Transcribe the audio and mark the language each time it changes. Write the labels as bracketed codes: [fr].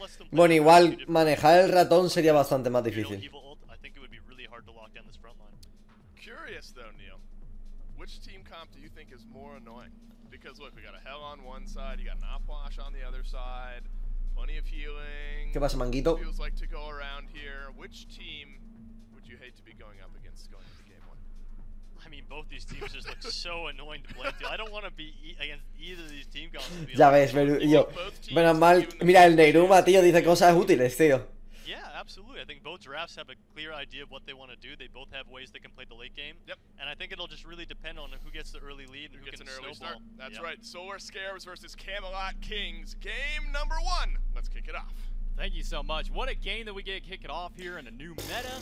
[es] Bueno, igual manejar el ratón sería bastante más difícil. [en] Curious though, Neil. Which team comp do you think is more annoying? Because look, we got a hell on one side, you got an opwash on the other side, plenty of healing. [es] ¿Qué pasa, manguito? [en] Feels like to go around here. Which team would you hate to be going up against going into game one? I mean, both these teams just look so annoying to play. Dude, I don't want to be against either of these team comps. [es] Ya ves, yo. Menos mal. Mira, el Neiruma, tío, dice cosas útiles, tío. [en] Yeah, absolutely. I think both drafts have a clear idea of what they want to do. They both have ways they can play the late game. Yep. And I think it'll just really depend on who gets the early lead and who gets can an early snowball. Start. That's yep. Right. Solar Scarabs versus Camelot Kings. Game number one. Let's kick it off. Thank you so much. What a game that we get kicking off here in a new meta.